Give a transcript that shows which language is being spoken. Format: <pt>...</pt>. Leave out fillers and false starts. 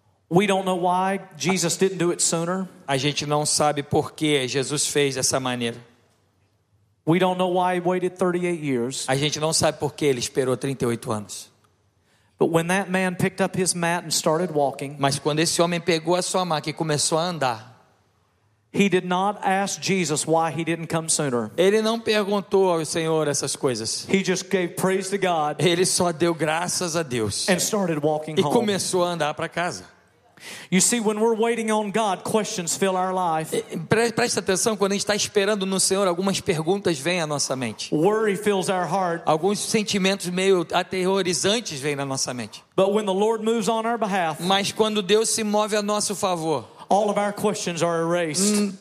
<en>We don't know why Jesus didn't do it sooner.</en> <pt>A gente não sabe por que Jesus fez dessa maneira.</pt> <en>We don't know why he waited 38 years.</en> <pt>A gente não sabe por que ele esperou 38 anos.</pt> <en>But when that man picked up his mat and started walking,</en> <pt>mas quando esse homem pegou a sua maca e começou a andar,</pt> <en>he did not ask Jesus why he didn't come sooner.</en> <pt>Ele não perguntou ao Senhor essas coisas.</pt> <en>He just gave praise to God.</en> <pt>Ele só deu graças a Deus.</pt> <en>And started walking home.</en> <pt>E começou a andar para casa.</pt> <en>You see, when we're waiting on God, questions fill our life.</en> <pt>Preste atenção, quando a gente está esperando no Senhor, algumas perguntas vêm à nossa mente.</pt> <en>Worry fills our heart.</en> <pt>Alguns sentimentos meio aterrorizantes vêm na nossa mente.</pt> <en>But when the Lord moves on our behalf,</en> <pt>mas quando Deus se move a nosso favor,</pt> <en>all of our questions are erased.</en>